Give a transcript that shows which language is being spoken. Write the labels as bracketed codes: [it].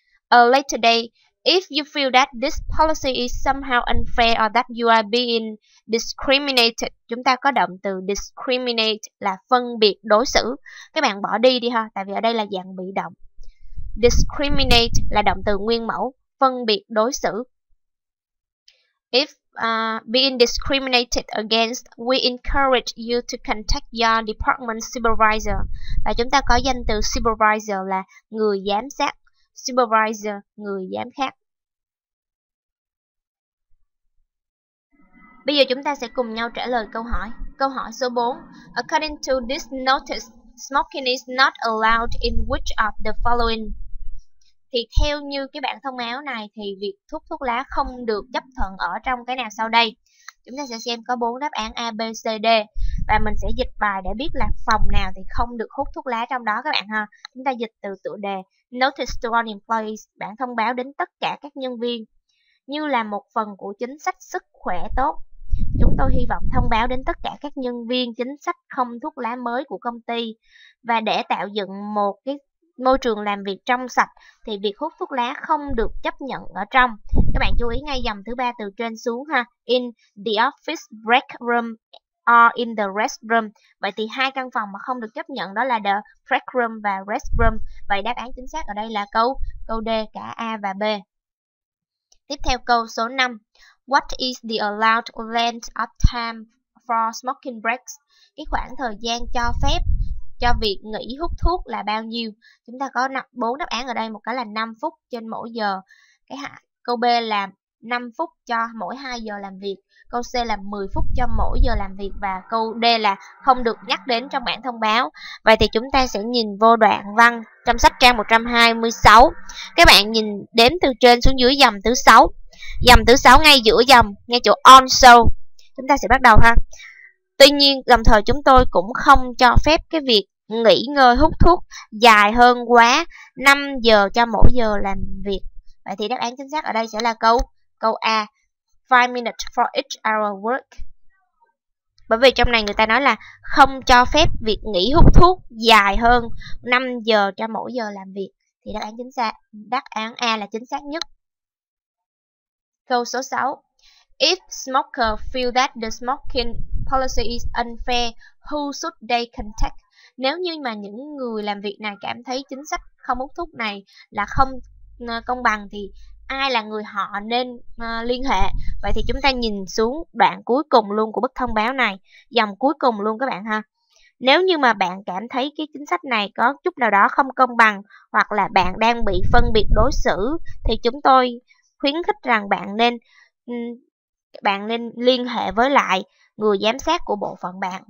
[en] A later day, if you feel that this policy is somehow unfair or that you are being discriminated, [vi] chúng ta có động từ discriminate là phân biệt đối xử. Các bạn bỏ đi đi ha, tại vì ở đây là dạng bị động. Discriminate là động từ nguyên mẫu, phân biệt đối xử. [en] If being discriminated against, we encourage you to contact your department supervisor. [vi] Và chúng ta có danh từ supervisor là người giám sát. Supervisor, người giám sát. Bây giờ chúng ta sẽ cùng nhau trả lời câu hỏi. Câu hỏi số 4. [en] According to this notice, smoking is not allowed in which of the following? [vi] Thì theo như cái bản thông báo này thì việc hút thuốc lá không được chấp thuận ở trong cái nào sau đây. Chúng ta sẽ xem có 4 đáp án A, B, C, D. Và mình sẽ dịch bài để biết là phòng nào thì không được hút thuốc lá trong đó các bạn ha. Chúng ta dịch từ tựa đề Notice to all employees, bản thông báo đến tất cả các nhân viên, như là một phần của chính sách sức khỏe tốt. Chúng tôi hy vọng thông báo đến tất cả các nhân viên chính sách không thuốc lá mới của công ty. Và để tạo dựng một cái môi trường làm việc trong sạch thì việc hút thuốc lá không được chấp nhận ở trong. Các bạn chú ý ngay dòng thứ ba từ trên xuống ha. [en] In the office break room or in the restroom. [vi] Vậy thì hai căn phòng mà không được chấp nhận đó là the break room và restroom. Vậy đáp án chính xác ở đây là câu D, cả A và B. Tiếp theo câu số 5. [en] What is the allowed length of time for smoking breaks? [vi] Cái khoảng thời gian cho phép cho việc nghỉ hút thuốc là bao nhiêu? Chúng ta có 4 đáp án ở đây, một cái là 5 phút trên mỗi giờ. Câu B là 5 phút cho mỗi 2 giờ làm việc. Câu C là 10 phút cho mỗi giờ làm việc. Và câu D là không được nhắc đến trong bản thông báo. Vậy thì chúng ta sẽ nhìn vô đoạn văn trong sách trang 126. Các bạn nhìn đếm từ trên xuống dưới dòng thứ 6. Dòng thứ 6 ngay giữa dòng, ngay chỗ on show. Chúng ta sẽ bắt đầu ha. Tuy nhiên, đồng thời chúng tôi cũng không cho phép cái việc nghỉ ngơi hút thuốc dài hơn quá 5 giờ cho mỗi giờ làm việc. Vậy thì đáp án chính xác ở đây sẽ là câu A, [en] 5 minutes for each hour work. [vi] Bởi vì trong này người ta nói là không cho phép việc nghỉ hút thuốc dài hơn 5 giờ cho mỗi giờ làm việc. Thì đáp án A là chính xác nhất. Câu số 6. [en] If smoker feel that the smoking policy is unfair, who should they contact? [vi] Nếu như mà những người làm việc này cảm thấy chính sách không hút thuốc này là không công bằng thì ai là người họ nên liên hệ? Vậy thì chúng ta nhìn xuống đoạn cuối cùng luôn của bức thông báo này, dòng cuối cùng luôn các bạn ha. Nếu như mà bạn cảm thấy cái chính sách này có chút nào đó không công bằng hoặc là bạn đang bị phân biệt đối xử thì chúng tôi khuyến khích rằng bạn nên liên hệ với lại người giám sát của bộ phận bạn.